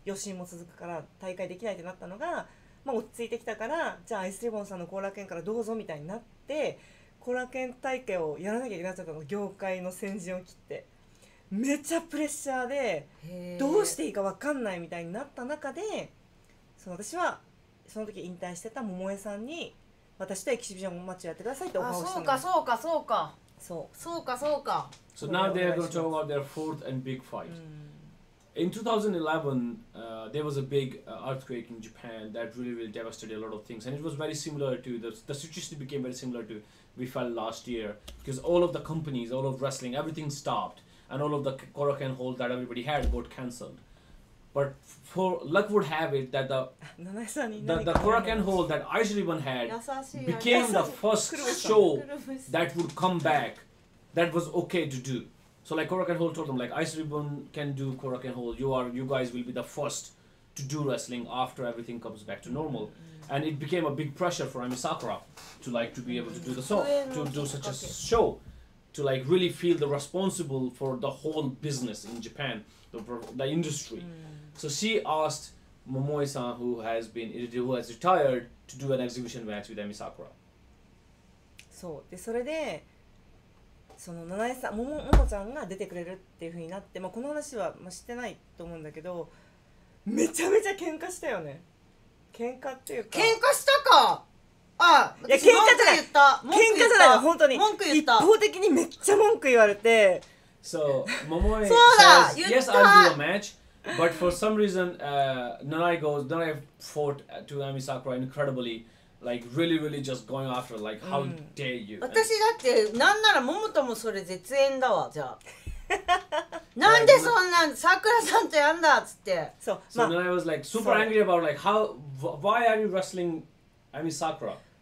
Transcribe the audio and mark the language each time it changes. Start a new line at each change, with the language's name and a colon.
Japanese: 余震も続くから大会できないってなったのが、まあ、落ち着いてきたから、じゃあアイスリボンさんの後楽園からどうぞみたいになって、後楽園大会をやらなきゃいけなかったの、業界の先陣を切ってめちゃプレッシャーでどうしていいか分かんないみたいになった中で、その私はその時引退してた桃江さんに、私とエキシビションマッチをやってくださいってオファーをしたの。あ、そうかそうかそうか、そう。そうかそうか。
English: So now they are going to talk about their fourth and big fight. In 2011, there was a big earthquake in Japan that really, really devastated a lot of things. And it was very similar to, the situation became very similar to we felt last year. Because all of the companies, all of wrestling, everything stopped. And all of the Korakuen holds that everybody had got cancelled. But for luck would have it that the Korakuen hold that Aishiriban had became the first show that would come back that was okay to do. So like Korakuen hold told them like Aishiriban can do Korakuen hold. You guys will be the first to do wrestling after everything comes back to normal. And it became a big pressure for Ami Sakura to like to be able to do the show, to do such a show, to like really feel the responsible for the whole business in Japan, the industry. So she asked Momoi-san, who has retired, to do an exhibition match with Ami Sakura.
Japanese: So, and so, その七重さん、ももちゃんが出てくれるっていう風になって、まあ、この話はまあ知ってないと思うんだけど、めちゃめちゃ喧嘩したよね。喧嘩っていうか。喧嘩したか。あ、いや喧嘩じゃない。文句言った。喧嘩じゃない。本当に。文句言った。一方的にめっちゃ文句言われて。
English: So, Momoi says, "Yes, I'll do a match." But for some reason, Nanai fought to Ami Sakura incredibly, like really, really just going after, like, how dare you. So Nanai was like super angry about, like, why are you wrestling Ami Sakura?